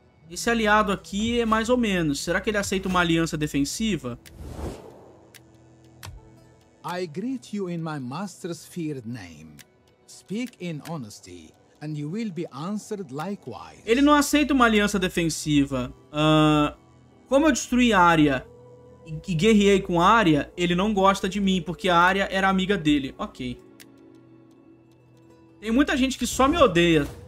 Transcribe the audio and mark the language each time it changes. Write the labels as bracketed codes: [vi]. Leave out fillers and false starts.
[pt] Esse aliado aqui é mais ou menos. Será que ele aceita uma aliança defensiva? [en] I greet you in my master's feared name. Speak in honesty, and you will be answered likewise. [pt] Ele não aceita uma aliança defensiva. Como eu destruí a área e guerreei com a área, ele não gosta de mim, porque a área era amiga dele. Ok. Tem muita gente que só me odeia.